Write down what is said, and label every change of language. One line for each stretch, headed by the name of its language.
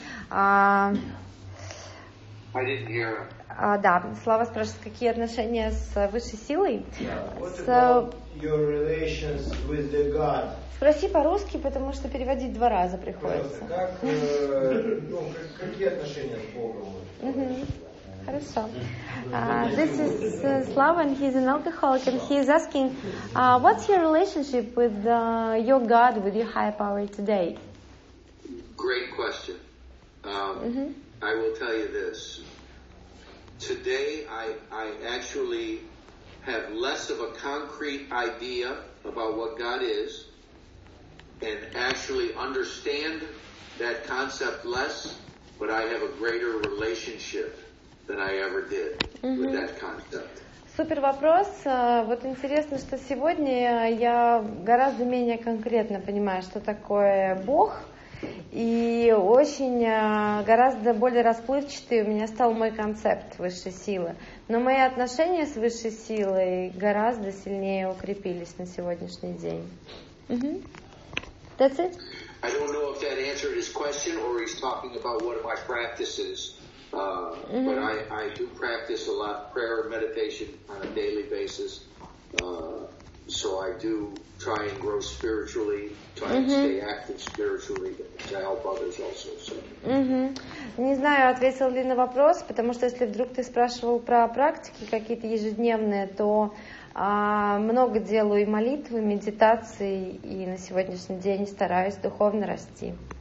English: I didn't hear.
Russian: Да, Слава спрашивает, какие отношения с высшей силой?
English: Yeah. What about your relations with the God?
Russian: Спроси по-русски, потому что переводить два раза приходится. Как, ну, какие отношения с Богом? Хорошо.
English: This is Slava, and he's an alcoholic, and he's asking, what's your relationship with your God, with your higher power today? Great question. I will tell you this. Today, I actually have less of a concrete idea about what God is, and actually understand that concept less, but I have a greater relationship than I ever did with that concept.
Russian: Супер вопрос. Вот интересно, что сегодня я гораздо менее конкретно понимаю, что такое Бог, и очень гораздо более расплывчатый у меня стал мой концепт высшей силы. Но мои отношения с высшей силой гораздо сильнее укрепились на сегодняшний день.
English: That's it? I don't know if that answered his question or he's talking about one of my practices. But I do practice a lot of prayer and meditation on a daily basis. So I do try and grow spiritually, try and stay active spiritually to help others also. So.
Russian: Не знаю, ответил ли на вопрос, потому что если вдруг ты спрашивал про практики какие-то ежедневные, то много делаю и молитвы, и медитации, и на сегодняшний день стараюсь духовно расти.